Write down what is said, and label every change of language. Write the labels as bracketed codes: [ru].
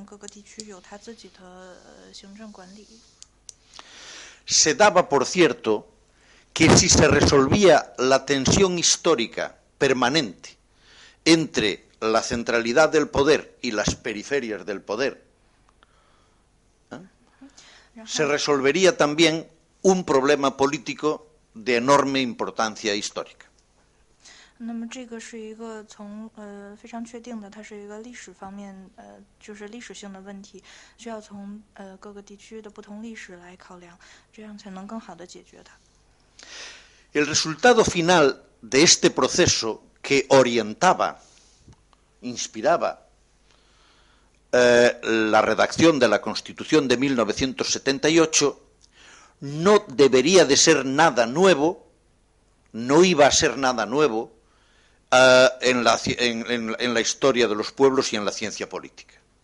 [zh] 然后在这些问题当中，人们发现最重要的一个就是分权的问题，因为在西班牙，它究竟是谁来统，究竟是由中央来统一统治所有的地区，还是说让各个地区有它自己的行政管理？ [es] Se daba por cierto que si se resolvía la tensión histórica permanente entre la centralidad del poder y las periferias del poder, se resolvería también un problema político de enorme importancia histórica. [zh] 那么这个是一个从非常确定的，它是一个历史方面，就是历史性的问题，需要从各个地区的不同历史来考量，这样才能更好的解决它。 [es] El resultado final de este proceso que orientaba, inspiraba la redacción de la Constitución de 1978 no debería de ser nada nuevo, no iba a ser nada nuevo en la historia de los pueblos y en la ciencia política.